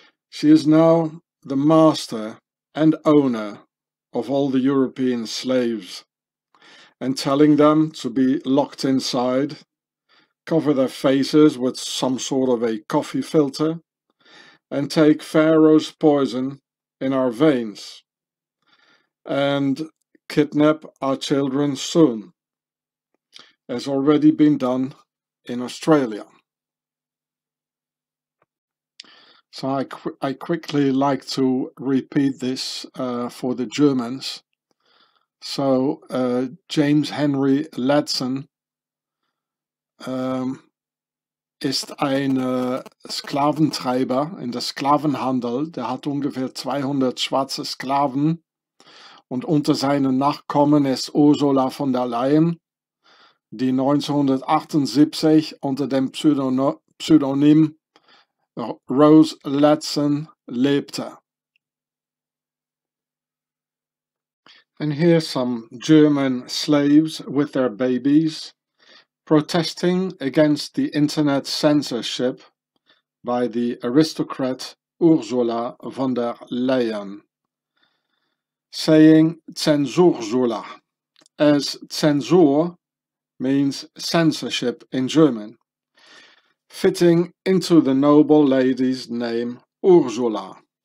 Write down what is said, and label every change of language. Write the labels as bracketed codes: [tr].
[en] She is now the master and owner of all the European slaves, and telling them to be locked inside, cover their faces with some sort of a coffee filter, and take Pharaoh's poison in our veins, and kidnap our children soon, has already been done in Australia. So I quickly like to repeat this for the Germans. [de] So James Henry Ladson ist ein Sklaventreiber in der Sklavenhandel. Der hat ungefähr 200 schwarze Sklaven, und unter seinen Nachkommen ist Ursula von der Leyen, die 1978 unter dem Pseudonym Rose Ladson lebte. [en] And here's some German slaves with their babies protesting against the internet censorship by the aristocrat Ursula von der Leyen, saying Zensursula, as Zensur means censorship in German, fitting into the noble lady's name Ursula.